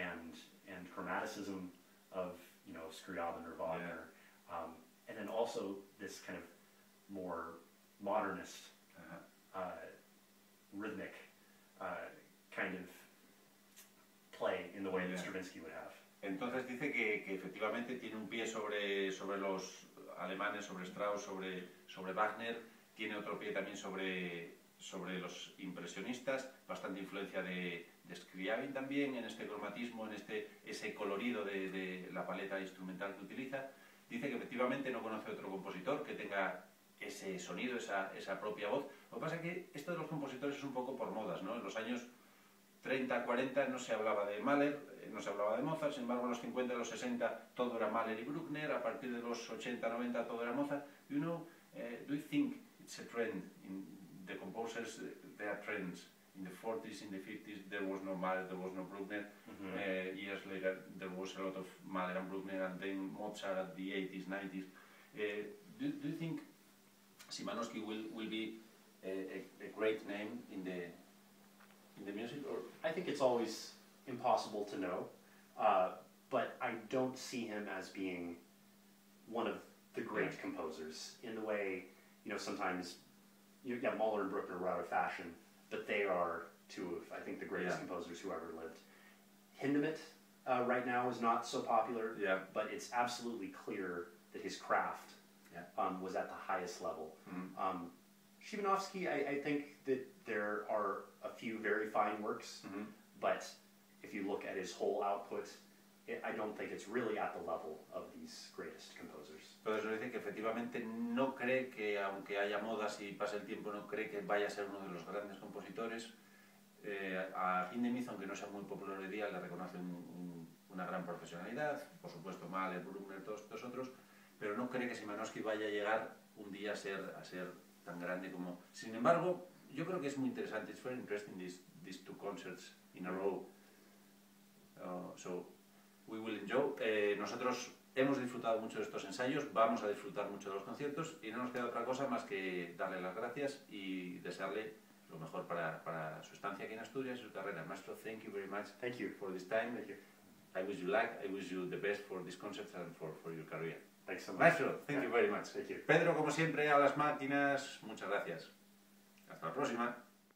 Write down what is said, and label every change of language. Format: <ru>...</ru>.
<en>and chromaticism of, you know, Scriabin or Wagner, yeah. And then also this kind of more modernist rhythmic kind of play in the way that Stravinsky would have.</en> <es>Entonces dice que efectivamente tiene un pie sobre los alemanes, sobre Strauss, sobre Wagner, tiene otro pie también sobre los impresionistas, bastante influencia de Scriabin también, en este cromatismo, en ese colorido de la paleta instrumental que utiliza. Dice que efectivamente no conoce otro compositor que tenga ese sonido, esa propia voz. Lo que pasa es que esto de los compositores es un poco por modas, ¿no? En los años 30, 40 no se hablaba de Mahler, no se hablaba de Mozart, sin embargo en los 50, los 60 todo era Mahler y Bruckner, a partir de los 80, 90 todo era Mozart.</es> <en>You know, do you think it's a trend in the composers, there are trends? In the 40s, in the 50s, there was no Mahler, there was no Bruckner. Mm-hmm. Years later, there was a lot of Mahler and Bruckner, and then Mozart at the 80s, 90s. Do you think Szymanowski will be a great name in the music? Or? I think it's always impossible to know, but I don't see him as being one of the great composers in the way, you know, sometimes, you know, Mahler and Bruckner were out of fashion. But they are two of, I think, the greatest composers who ever lived. Hindemith right now is not so popular, but it's absolutely clear that his craft was at the highest level. Mm-hmm. Szymanowski, I think that there are a few very fine works, mm-hmm. but if you look at his whole output, I don't think it's really at the level of these greatest composers.</en> <es>Pero eso dice que efectivamente no cree que, aunque haya modas y pase el tiempo, no cree que vaya a ser uno de los grandes compositores. A Hindemith, aunque no sea muy popular hoy día, le reconoce una gran profesionalidad. Por supuesto, Mahler, Bruckner, todos estos otros. Pero no cree que Szymanowski vaya a llegar un día a ser tan grande como... Sin embargo, yo creo que es muy interesante.</es> <en>It's very interesting, these two concerts in a row. So, we will enjoy.</en> <es>Nosotros... Hemos disfrutado mucho de estos ensayos, vamos a disfrutar mucho de los conciertos y no nos queda otra cosa más que darle las gracias y desearle lo mejor para su estancia aquí en Asturias y su carrera.</es> <en>Maestro, thank you very much. Thank you for this time. I wish you luck, I wish you the best for these concerts and for your career. Thanks so much. Maestro, thank you very much. Thank you.</en> <es>Pedro, como siempre, a las máquinas, muchas gracias. Hasta la próxima.</es>